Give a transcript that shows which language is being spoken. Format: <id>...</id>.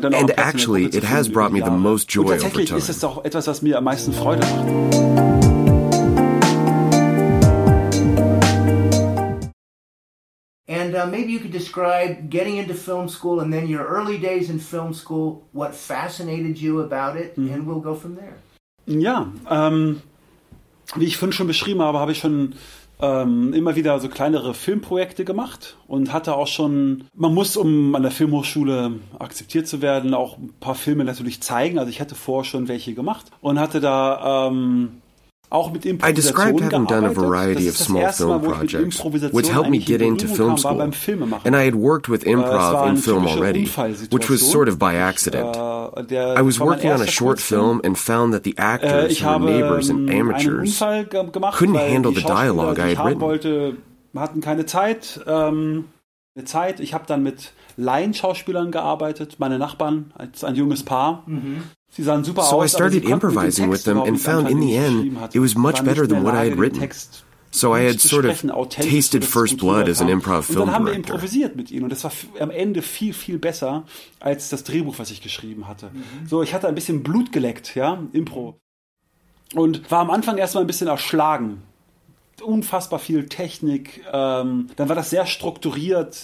<de>Dann</de> <en>and</en> <de>auch</de> <en>actually,</en> <de>zu</de> <en>it has brought me the most joy over time.</en> <de>Und tatsächlich ist es doch etwas, was mir am meisten Freude macht.</de> <en>And maybe you could describe getting into film school and then your early days in film school, what fascinated you about it, and we'll go from there.</en> <de>Ja, wie ich vorhin schon beschrieben habe, habe ich schon immer wieder so kleinere Filmprojekte gemacht und hatte auch schon, man muss, um an der Filmhochschule akzeptiert zu werden, auch ein paar Filme natürlich zeigen. Also ich hatte vorher schon welche gemacht und hatte da auch mit Improvisation gearbeitet. Das ist das erste Mal, wo ich mit Improvisation eigentlich hingekommen war beim Filmemachen.</de> <en>And I had worked with improv in film already, which was sort of by accident. I was working on a short film and found that the actors, who were neighbors and amateurs, couldn't handle the dialogue I had written.</en> <de>Hatten keine Zeit. Ich habe dann mit Laienschauspielern gearbeitet, meine Nachbarn, als ein junges Paar. Sie sahen super aus.</de> <en>So I started improvising with them and found in the end it was much better than what I had written. So I had sort of tasted first blood as an improv film director.</en> <de>Und dann haben wir improvisiert mit ihnen und das war am Ende viel, viel besser als das Drehbuch, was ich geschrieben hatte. So, ich hatte ein bisschen Blut geleckt, ja, Impro. Und war am Anfang erstmal ein bisschen erschlagen. Unfassbar viel Technik. Dann war das sehr strukturiert.</de>